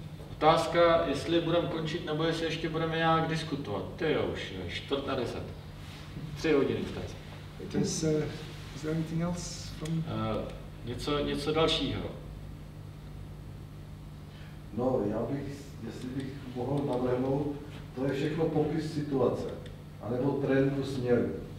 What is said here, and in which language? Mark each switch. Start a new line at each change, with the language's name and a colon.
Czech: Otázka, jestli budeme končit, nebo jestli ještě budeme nějak diskutovat. To je už 4:10. 3 hodiny vtac.
English: Is there anything else from...
Czech: Něco dalšího. No, já bych, jestli bych mohl navrhnout, to je všechno popis situace, anebo trendu směru.